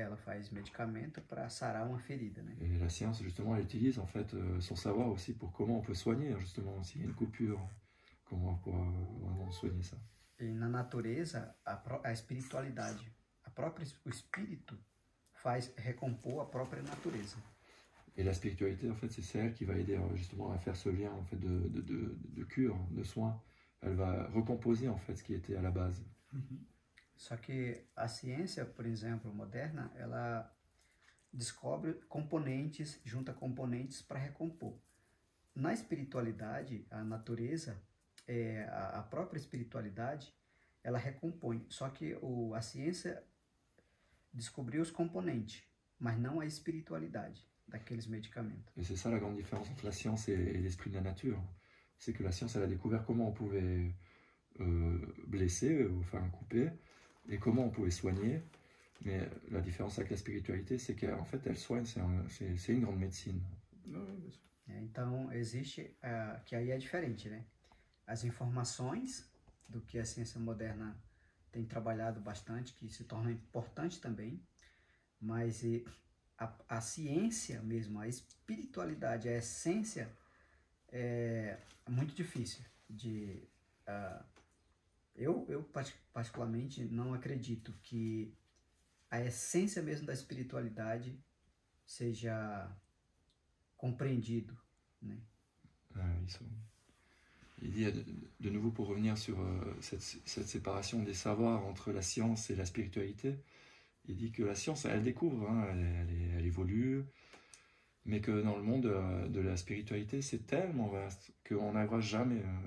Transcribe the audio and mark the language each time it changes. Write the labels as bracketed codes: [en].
[pt] Ela faz medicamento para sarar uma ferida, né? [fr] Et la science justement elle utilise en fait son savoir aussi pour comment on peut soigner justement aussi une coupure, comment pouvoir soigner ça. [pt] E na natureza a espiritualidade, o espírito faz recompor a própria natureza. [fr] Et la spiritualité en fait c'est celle qui va aider justement à faire ce lien en fait de cure, de soin. Elle va recomposer en fait ce qui était à la base. [pt] Só que a ciência, por exemplo, moderna, ela descobre componentes, junta componentes para recompor. Na espiritualidade, a natureza, a própria espiritualidade, ela recompõe. Só que a ciência descobriu os componentes, mas não a espiritualidade daqueles medicamentos. [fr] E c'est ça la grande différence entre la science et l'esprit de la nature. C'est que la science, elle a découvert comment on pouvait blesser, enfin couper. Et comment on pouvait soigner, mais la différence avec la spiritualité, c'est qu'en fait, elle soigne, c'est une grande médecine. [pt] Então, existe, que aí é diferente, né? As informações do que a ciência moderna tem trabalhado bastante, que se torna importante também, mas a ciência mesmo, a espiritualidade, a essência, é muito difícil de... Eu particularmente não acredito que a essência mesmo da espiritualidade seja compreendido, né? Ah, isso. [fr] Il y a de nouveau pour revenir sur cette séparation des savoirs entre la science et la spiritualité. Il dit que la science elle découvre, hein, elle évolue, mais que dans le monde de la spiritualité c'est tellement vaste qu'on n'arrivera jamais.